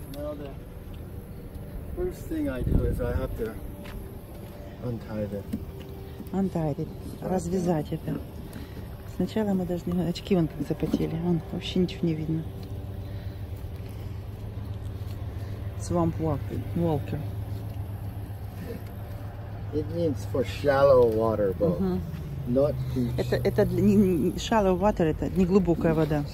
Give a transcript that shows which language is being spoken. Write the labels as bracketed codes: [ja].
[en] Well, the first thing I do is I have to untie it. [ru] Развязать это. Сначала мы должны очки вон как запотели. Вон вообще ничего не видно. [en] Swamp walker. It means for shallow water boat. Uh-huh. Not deep. [ru] Это [en] shallow water, [ru] это не глубокая вода.